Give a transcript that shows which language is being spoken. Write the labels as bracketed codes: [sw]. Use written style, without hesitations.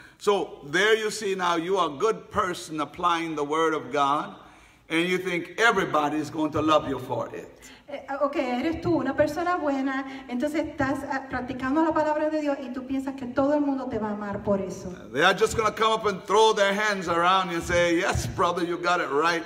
[en] So there you see now you are a good person applying the word of God. And you think everybody is going to love you for it. [es] Okay, eres tú una persona buena. Entonces estás practicando la palabra de Dios. Y tú piensas que todo el mundo te va a amar por eso. [en] They are just going to come up and throw their hands around you and say, yes, brother, you got it right.